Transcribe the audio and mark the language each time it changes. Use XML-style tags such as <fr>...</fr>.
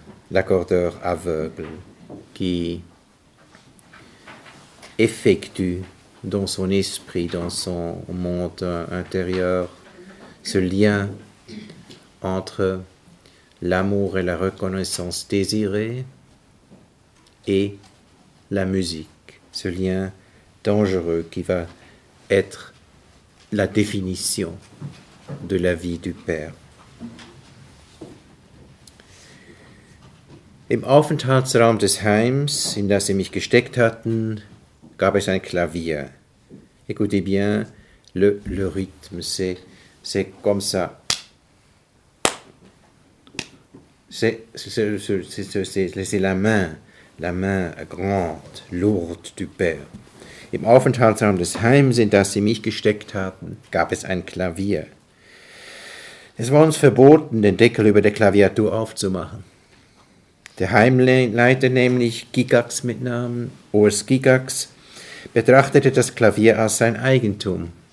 <fr>l'accordeur aveugle qui effectue dans son esprit, dans son monde intérieur, ce lien entre l'amour et la reconnaissance désirée et la musique, ce lien dangereux qui va être la définition de la vie du Père.</fr> <de>Im Aufenthaltsraum des Heims, in das sie mich gesteckt hatten, gab es ein Klavier.</de> <fr>Écoutez bien le rythme, c'est comme ça. C'est la main grande, lourde du Père.</fr> <de>Im Aufenthaltsraum des Heims, in das sie mich gesteckt hatten, gab es ein Klavier. Es war uns verboten, den Deckel über der Klaviatur aufzumachen. Der Heimleiter nämlich, Gigax mit Namen, Urs Gigax, betrachtete das Klavier als sein Eigentum.</de>